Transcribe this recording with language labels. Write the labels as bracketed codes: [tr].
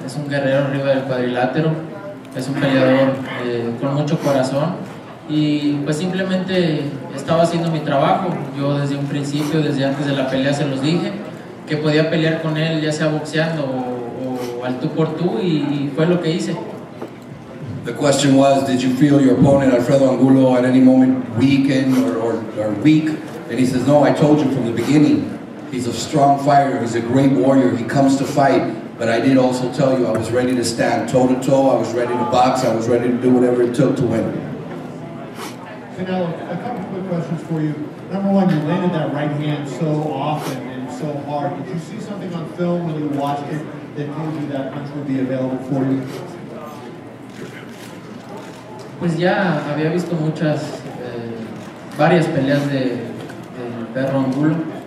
[es] Es un guerrero arriba del cuadrilátero. Es un peleador con mucho corazón. Y pues simplemente estaba haciendo mi trabajo. Yo desde un principio, desde antes de la pelea, se los dije que podía pelear con él, ya sea boxeando o al tú por tú, y fue lo que hice. [en] The question was, did you feel your opponent, Alfredo Angulo, at any moment weakened or weak? And he says, no, I told you from the beginning. He's a strong fighter, he's a great warrior, he comes to fight, but I did also tell you I was ready to stand toe to toe, I was ready to box, I was ready to do whatever it took to win. Canelo, a couple quick questions for you. Number one, you landed that right hand so often and so hard. Did you see something on film when you watched it that told you that punch would be available for you? [es] Pues ya, había visto muchas, varias peleas de Perro Angulo.